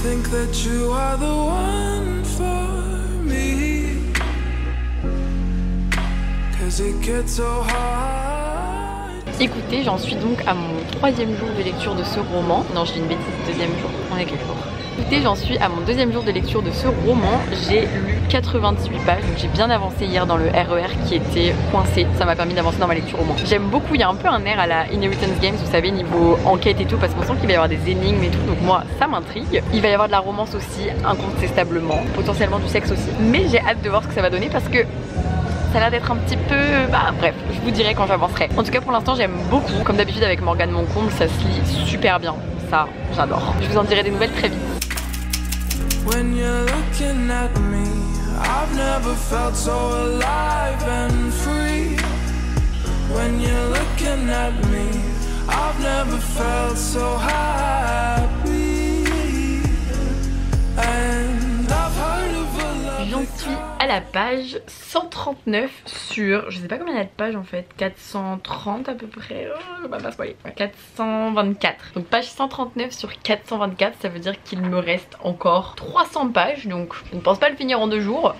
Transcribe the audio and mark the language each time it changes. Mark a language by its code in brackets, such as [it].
[en] That you are the one for me. Cause it gets so hard. [fr] Écoutez, j'en suis donc à mon troisième jour de lecture de ce roman. Non, je dis une bêtise, deuxième jour, on est quel jour? Écoutez, j'en suis à mon deuxième jour de lecture de ce roman. J'ai lu 98 pages, donc j'ai bien avancé hier dans le RER qui était coincé. Ça m'a permis d'avancer dans ma lecture au moins. J'aime beaucoup, il y a un peu un air à la Inheritance Games, vous savez, niveau enquête et tout, parce qu'on sent qu'il va y avoir des énigmes et tout, donc moi, ça m'intrigue. Il va y avoir de la romance aussi, incontestablement, potentiellement du sexe aussi. Mais j'ai hâte de voir ce que ça va donner parce que... ça a l'air d'être un petit peu... bah bref, je vous dirai quand j'avancerai. En tout cas, pour l'instant, j'aime beaucoup. Comme d'habitude, avec Morgane Moncombe, ça se lit super bien. Ça, j'adore. Je vous en dirai des nouvelles très vite. [en] When you're looking at me, I've never felt so alive and free. When you're looking at me, I've never felt so happy. And I've heard of a love. [fr] J'en suis à la page 139 sur, je sais pas combien il y a de pages en fait, 430 à peu près, je vais pas spoiler, 424. Donc page 139 sur 424, ça veut dire qu'il me reste encore 300 pages, donc je ne pense pas le finir en deux jours.